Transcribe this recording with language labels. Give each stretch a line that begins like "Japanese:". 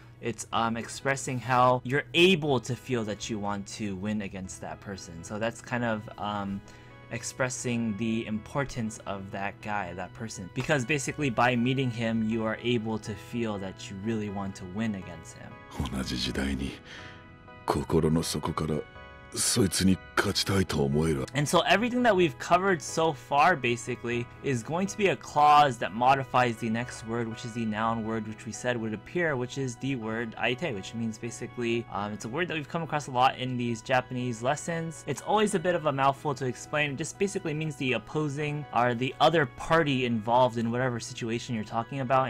English: It's expressing how you're able to feel that you want to win against that person. So that's kind of expressing the importance of that guy, that person. Because basically by meeting him, you are able to feel that you really want to win against him.
Japanese: 同じ時代に心の底からそいつに勝ちたいと思える。
English: And so everything that we've covered so far basically is going to be a clause that modifies the next word, which is the noun word which we said would appear, which is the word aite, which means basically it's a word that we've come across a lot in these Japanese lessons. It's always a bit of a mouthful to explain. It just basically means the opposing or the other party involved in whatever situation you're talking about.